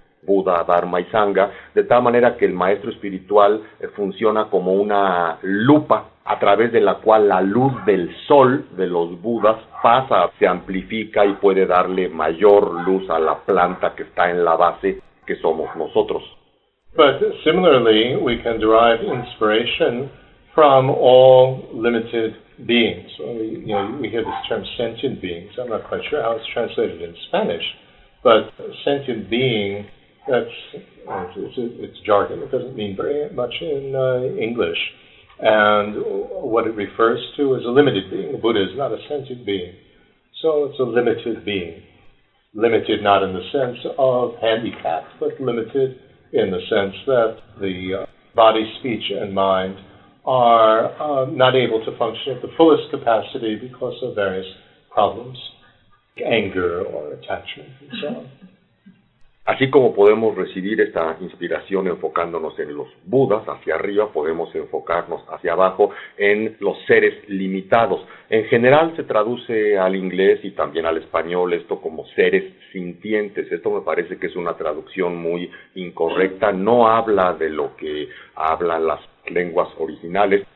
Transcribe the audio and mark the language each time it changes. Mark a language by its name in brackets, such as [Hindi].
[Spanish] Buda, Dharma y Sangha, de tal manera que el maestro espiritual funciona como una lupa a través de la cual la luz del sol de los Budas pasa, se amplifica y puede darle mayor luz a la planta que está en la base, que somos nosotros. [English] But similarly, we can derive inspiration from all limited beings. We hear this term sentient beings. I'm not quite sure how it's translated in Spanish, but sentient being, it's jargon. It doesn't mean very much in English. And what it refers to is a limited being. The Buddha is not a sentient being. So it's a limited being. Limited not in the sense of handicapped, but limited in the sense that the body, speech, and mind are not able to function at the fullest capacity because of various problems, like anger or attachment, and so on. [Spanish] Así como podemos recibir esta inspiración enfocándonos en los Budas hacia arriba, podemos enfocarnos hacia abajo en los seres limitados. En general se traduce al inglés y también al español esto como seres sintientes. Esto me parece que es una traducción muy incorrecta. No habla de lo que hablan las lenguas originales.